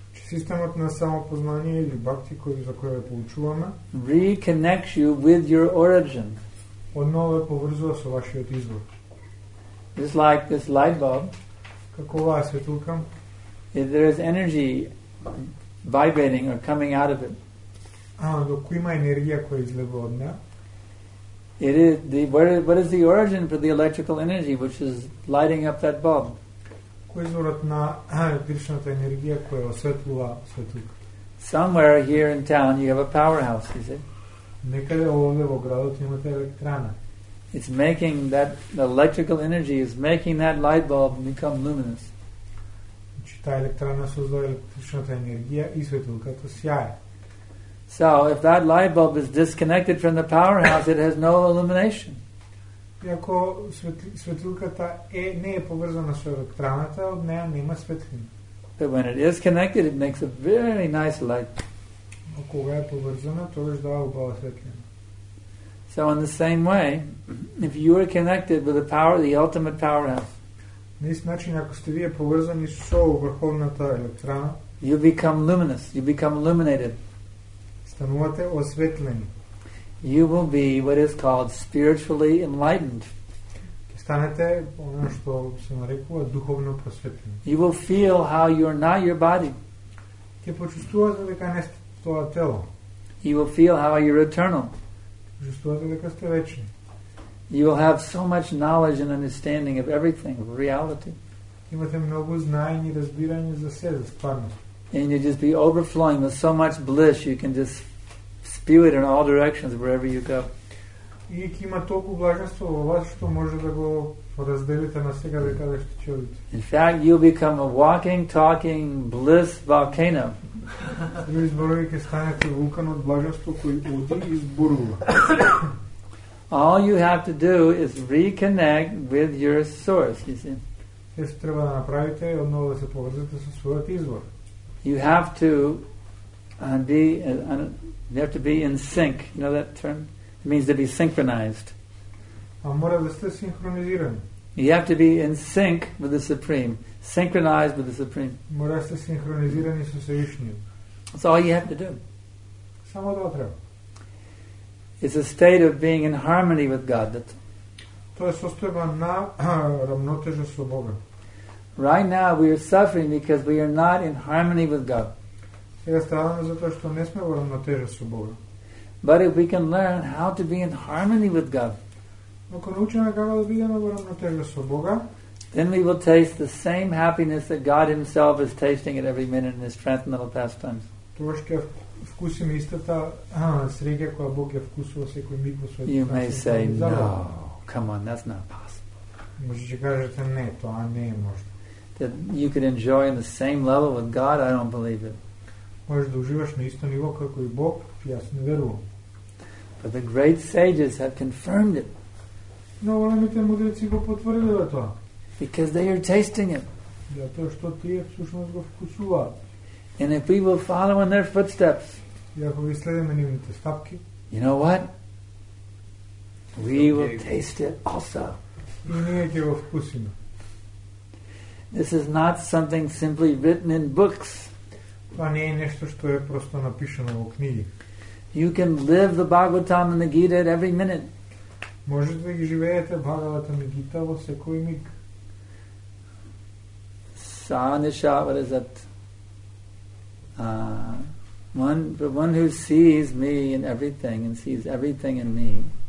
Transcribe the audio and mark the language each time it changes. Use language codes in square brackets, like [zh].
[mk] Sistemot na samopoznanje ili bhakti za koje je poučuvame [en] reconnects you with your origin. [mk] Odnovo je povrzuo sa vašijot izvor. [en] Just like this light bulb, [mk] Какова е светлука? [en] If there is energy vibrating or coming out of it. [mk] Доколку има енергија која излегува од неа. [en] It is the what is the origin for the electrical energy which is lighting up that bulb? [mk] Кој е изворот на електричната енергија која осветлува светлука? [en] Somewhere here in town you have a powerhouse, is it? [mk] Некаде овде во градот имате електрана. [en] It's making that the electrical energy is making that light bulb become luminous. [mk] Таа електрана создава електричната енергија и светлуката сјае. [en] So if that light bulb is disconnected from the powerhouse, it has no illumination. [mk] Ако светлуката не е поврзана со електраната, од неа нема светлина. [en] But when it is connected, it makes a very nice light. [mk] Кога е поврзана, тогаш дава убава светлина. [en] So in the same way, if you are connected with the power, the ultimate powerhouse. [mk] На ист начин, ако сте вие поврзани со врховната електрана, [en] you become luminous, you become illuminated. [mk] Станувате осветлени. [en] You will be what is called spiritually enlightened. [mk] Станете оно што се нарекува духовно просветлени. [en] You will feel how you are not your body. [mk] Ќе почувствувате дека не сте тоа тело. [en] You will feel how you are eternal. [mk] Почувствувате дека сте вечни. [en] You will have so much knowledge and understanding of everything, of reality. [mk] Имате многу знаење и разбирање за се, за стварност. [en] And you just be overflowing with so much bliss, you can just spew it in all directions wherever you go. [mk] И ќе има толку блаженство во вас што може да го разделите на секаде каде што ќе одите. [en] In fact, you become a walking, talking bliss volcano. [mk] Вие зборувате дека станете вулкан од блаженство кој оди и зборува. [en] All you have to do is reconnect with your source, you see. [mk] Сега треба да направите одново да се поврзете со својот извор. [en] You have to be you have to be in sync. You know that term? It means to be synchronized. [mk] Мора да сте синхронизирани. [en] You have to be in sync with the Supreme. Synchronized with the Supreme. [mk] Мора да сте синхронизирани со Всевишниот. [en] That's all you have to do. [mk] Само тоа треба. [en] It's a state of being in harmony with God. [mk] Тоа е состојба на рамнотежа со Бога. [en] Right now we are suffering because we are not in harmony with God. [mk] Сега страдаме затоа што не сме во рамнотежа со Бога. [en] But if we can learn how to be in harmony with God, [mk] ако научиме како да бидеме во рамнотежа со Бога, [en] then we will taste the same happiness that God Himself is tasting at every minute in His transcendental pastimes. [mk] Тогаш ќе вкусиме истата среќа која Бог ја вкусува секој миг во својот. [en] You may say, no, come on, that's not possible. [mk] Може да кажете не, тоа не е можно. [en] That you could enjoy on the same level with God, I don't believe it. [mk] Можеш да уживаш на исто ниво како и Бог, јас не верувам. [en] But the great sages have confirmed it. [mk] Но големите мудреци го потврдиле тоа. [en] Because they are tasting it. [mk] Затоа што тие всушност го вкусуваат. [en] And if we will follow in their footsteps. [mk] И ако ги следиме нивните стапки. [en] You know what? We will taste it also. [mk] И ние ќе го вкусиме. [en] This is not something simply written in books. [mk] Тоа не е нешто што е просто напишано во книги. [en] You can live the Bhagavatam and the Gita at every minute. [mk] Можете да ги живеете Бхагаватам и Гита во секој миг. [en] Саанеша, what is that? One who sees me in everything and sees everything in me.